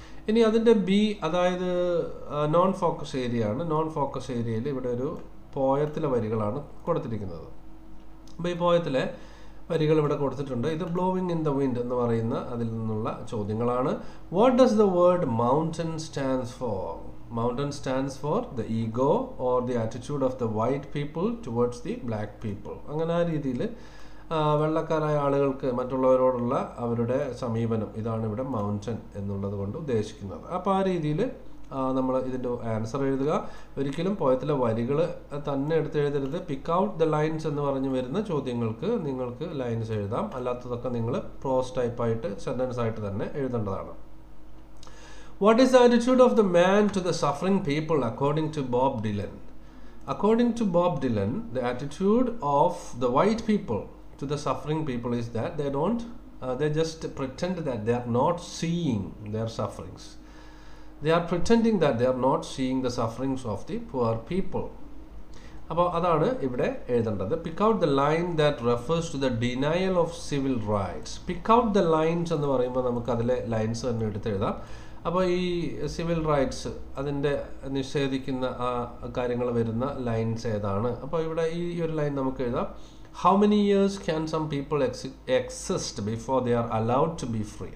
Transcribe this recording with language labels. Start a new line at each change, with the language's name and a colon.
Malayalam: ഇനി അതിൻ്റെ ബി, അതായത് നോൺ ഫോക്കസ് ഏരിയ ആണ്. നോൺ ഫോക്കസ് ഏരിയയിൽ ഇവിടെ ഒരു പോയത്തിലെ വരികളാണ് കൊടുത്തിരിക്കുന്നത്. അപ്പോൾ ഈ പോയത്തിലെ വരികൾ ഇവിടെ കൊടുത്തിട്ടുണ്ട്. ഇത് ബ്ലോവിങ് ഇൻ ദ വിൻഡ് എന്ന് പറയുന്ന അതിൽ നിന്നുള്ള ചോദ്യങ്ങളാണ്.
English: What does the word mountain stands for? Mountain stands for the ego or the attitude of the white people towards the black people.
Malayalam: അങ്ങനെ ആ രീതിയിൽ വെള്ളക്കാരായ ആളുകൾക്ക് മറ്റുള്ളവരോടുള്ള അവരുടെ സമീപനം, ഇതാണ് ഇവിടെ മൗണ്ടൻ എന്നുള്ളത് കൊണ്ട് ഉദ്ദേശിക്കുന്നത്. അപ്പോൾ ആ രീതിയിൽ നമ്മൾ ഇതിൻ്റെ ആൻസർ എഴുതുക. ഒരിക്കലും പോയത്തിലെ വരികൾ തന്നെ എടുത്ത് എഴുതരുത്. പിക്ക് ഔട്ട് ദ ലൈൻസ് എന്ന് പറഞ്ഞ് വരുന്ന ചോദ്യങ്ങൾക്ക് നിങ്ങൾക്ക് ലൈൻസ് എഴുതാം. അല്ലാത്തതൊക്കെ നിങ്ങൾ പ്രോസ് ടൈപ്പായിട്ട് സെൻറ്റൻസ് ആയിട്ട് തന്നെ എഴുതേണ്ടതാണ്.
English: What is the attitude of the man to the suffering people according to Bob Dylan? According to Bob Dylan, the attitude of the white people to the suffering people is that they don't, they just pretend that they are not seeing their sufferings. They are pretending that they are not seeing the sufferings of the poor people.
Malayalam: അപ്പോൾ അതാണ് ഇവിടെ എഴുതേണ്ടത്.
English: Pick out the line that refers to the denial of civil rights.
Malayalam: Pick out the lines എന്ന് പറയുമ്പോൾ നമുക്ക് അതിലെ lines തന്നെ എടുത്തെഴുതാം. അപ്പോൾ ഈ സിവിൽ റൈറ്റ്സ് അതിൻ്റെ നിഷേധിക്കുന്ന ആ കാര്യങ്ങൾ വരുന്ന ലൈൻസ് ഏതാണ്. അപ്പോൾ ഇവിടെ ഈ ഒരു ലൈൻ നമുക്ക് എഴുതാം.
English: How many years can some people exist before they are allowed to be free.